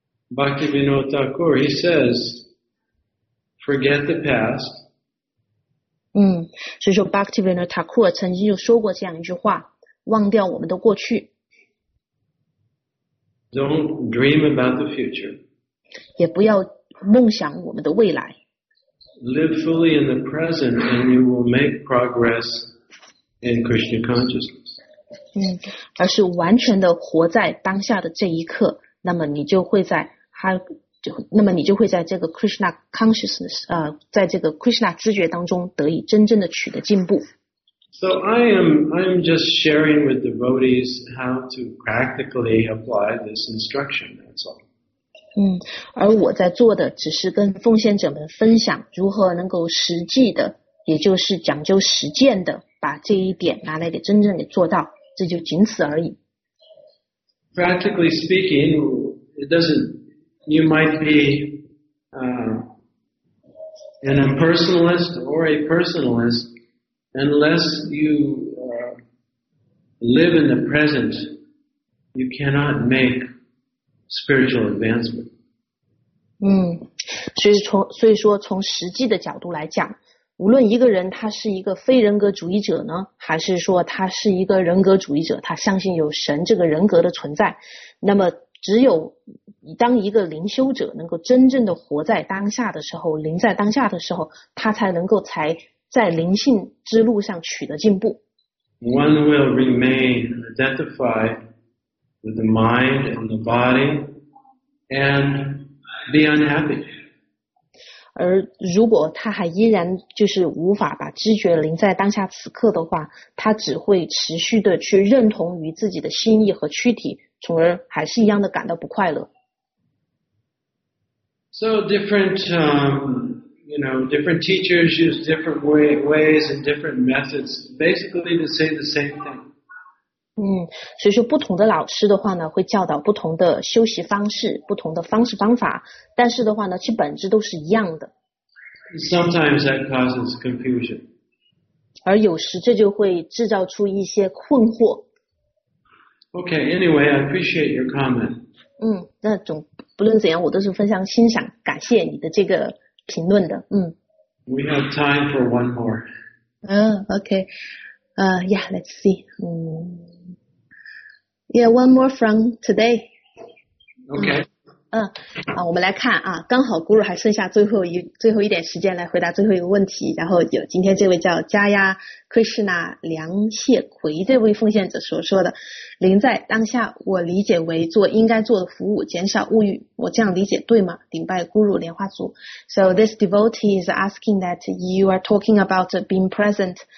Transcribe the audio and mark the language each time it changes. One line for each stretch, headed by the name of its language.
English: Bhaktivinoda Thakur, he says. Forget the past.
Chinese: 所以说 Bhaktivinoda Thakur 曾经就说过这样一句话，忘掉我们的过去。
English: Don't dream about the future.
Chinese: 也不要梦想我们的未来。
English: Live fully in the present and you will make progress in Krishna consciousness.
Chinese: 而是完全的活在当下的这一刻，那么你就会在那么你就会在这个 Krishna consciousness, 在这个 Krishna 知觉当中得以真正的取得进步。
English: So I'm just sharing with devotees how to practically apply this instruction, that's all.
Chinese: 而我在做的只是跟奉献者们分享如何能够实际的，也就是讲究实践的，把这一点拿来给真正给做到，这就仅此而已。
English: Practically speaking, it doesn't. You might be an impersonalist or a personalist, unless you live in the present, you cannot make spiritual advancement.
Chinese: 所以说从实际的角度来讲，无论一个人他是一个非人格主义者呢，还是说他是一个人格主义者，他相信有神这个人格的存在，那么只有当一个灵修者能够真正的活在当下的时候，灵在当下的时候，他才能够才在灵性之路上取得进步。
English: One will remain identified with the mind and the body and be unhappy.
Chinese: 而如果他还依然就是无法把知觉临在当下此刻的话，他只会持续的去认同于自己的心意和躯体，从而还是一样的感到不快乐。
English: So different, you know, different teachers use different ways and different methods, basically to say the same thing.
Chinese: 所以说不同的老师的话呢，会教导不同的修习方式，不同的方式方法。但是的话呢，其本质都是一样的。
English: Sometimes that causes confusion.
Chinese: 而有时这就会制造出一些困惑。
English: Okay, anyway, I appreciate your comment.
Chinese: 那总不论怎样，我都是非常欣赏，感谢你的这个评论的。
English: We have time for one more. Okay. Yeah, let's see. Yeah, one more from today. Okay.
Chinese: 我们来看啊，刚好 Guru 还剩下最后一点时间来回答最后一个问题。然后有今天这位叫加亚 Krishna 梁谢奎这位奉献者所说的，临在当下，我理解为做应该做的服务，减少物欲，我这样理解对吗？顶拜 Guru 莲花族。
English: So this devotee is asking that you are talking about being present.